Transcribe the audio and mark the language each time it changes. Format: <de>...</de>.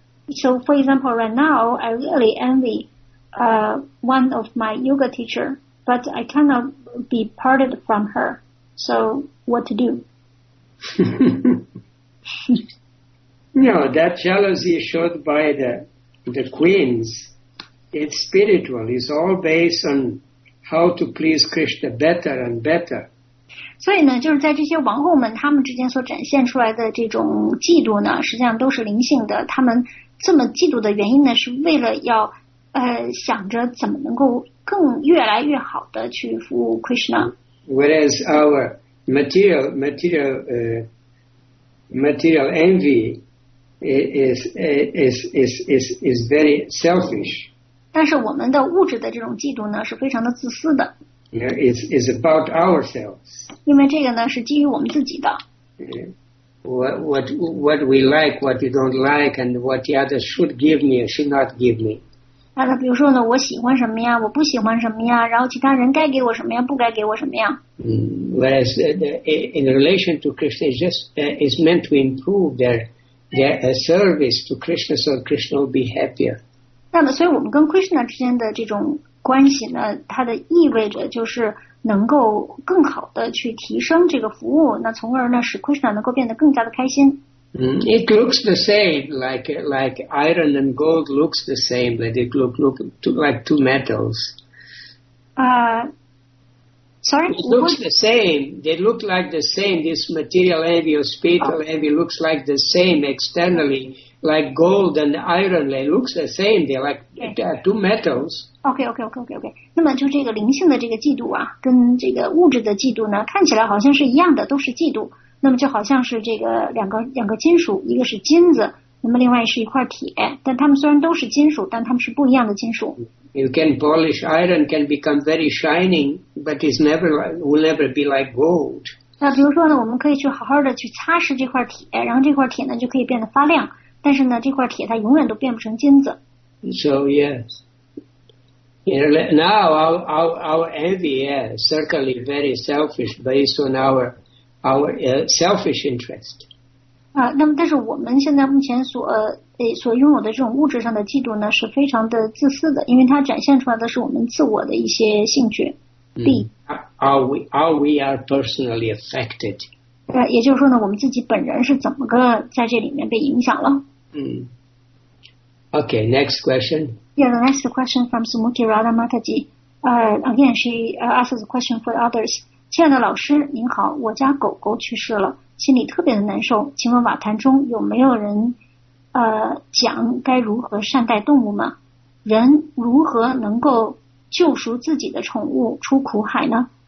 <en>So, for example, right now, I really envy one of my yoga teacher, but I cannot be parted from her. So what to do? No, that jealousy showed by the queens, it's spiritual. It's all based on how to please Krishna better and better.</en> <zh>所以呢，就是在这些王后们他们之间所展现出来的这种嫉妒呢，实际上都是灵性的。他们这么嫉妒的原因呢，是为了要想着怎么能够更越来越好的去服务 Krishna.</zh> <en>Whereas our material envy is very selfish.</en> <zh>但是我们的物质的这种嫉妒呢，是非常的自私的。</zh> <en>It's about ourselves.</en> <zh>因为这个呢，是基于我们自己的。</zh> <en>What we like, what we don't like, and what the other should give me or should not give me.</en> <zh>那比如说呢，我喜欢什么呀，我不喜欢什么呀，然后其他人该给我什么呀，不该给我什么呀。</zh> <en>Whereas in relation to Krishna, is meant to improve their service to Krishna, so Krishna will be happier.</en> <zh>那么，所以我们跟 Krishna 之间的这种关系呢，它的意味着就是能够更好的去提升这个服务，那从而呢，使 Krishna 能够变得更加的开心。</zh> <en>It looks the same, like iron and gold looks the same, but it look like two metals. Sorry? It looks the same. They look like the same. This material envy or spiritual envy looks like the same externally, like gold and iron. They look the same. They're like two metals. Okay.</en> <zh>那么就这个灵性的这个嫉妒啊，跟这个物质的嫉妒呢，看起来好像是一样的，都是嫉妒。那么就好像是这个两个金属，一个是金子，那么另外是一块铁，但它们虽然都是金属，但它们是不一样的金属。</zh> <en>You can polish iron can become very shining, but it's never like, will never be like gold.</en> <zh>那比如说呢，我们可以去好好的去擦拭这块铁，然后这块铁呢就可以变得发亮，但是呢这块铁它永远都变不成金子。</zh> <en>So yes, now our envy, yeah, certainly very selfish based on our our selfish interest.</en> <zh>啊，那么但是我们现在目前所拥有的这种物质上的嫉妒呢，是非常的自私的，因为它展现出来的是我们自我的一些兴趣利。</zh> <en>Are we personally affected?</en> <zh>啊，也就是说呢，我们自己本人是怎么个在这里面被影响了？</zh> <en>嗯。Okay, next question. Yeah, the next question from Sumuti Radha Mataji. Again, she asks a question for others.</en> <zh>亲爱的老师，您好，我家狗狗去世了，心里特别的难受。请问瓦坛中有没有人讲该如何善待动物吗？人如何能够救赎自己的宠物出苦海呢？</zh>